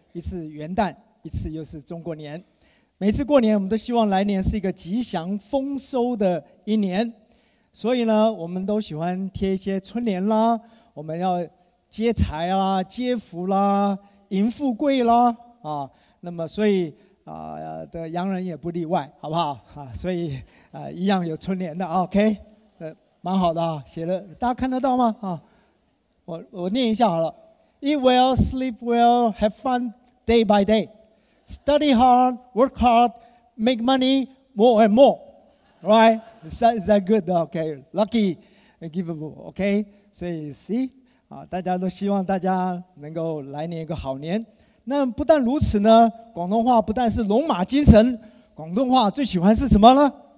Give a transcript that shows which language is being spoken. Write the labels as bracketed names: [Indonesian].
[Chinese] 一次元旦，一次又是中国年。每次过年我们都希望来年是一个吉祥丰收的一年，所以呢我们都喜欢贴一些春联啦，我们要接财啦，接福啦，迎富贵啦啊。那么所以的洋人也不例外，好不好啊？所以一样有春联的 OK， 蛮好的啊，写了大家看得到吗啊？我念一下好了。 [English] Eat well, sleep well, have fun day by day. Study hard, work hard, make money more and more. Right? Is that good? Okay, lucky, givable. Okay, so you see, [Chinese] 大家都希望大家能够来年一个好年。那不但如此呢，广东话不但是龙马精神，广东话最喜欢是什么呢？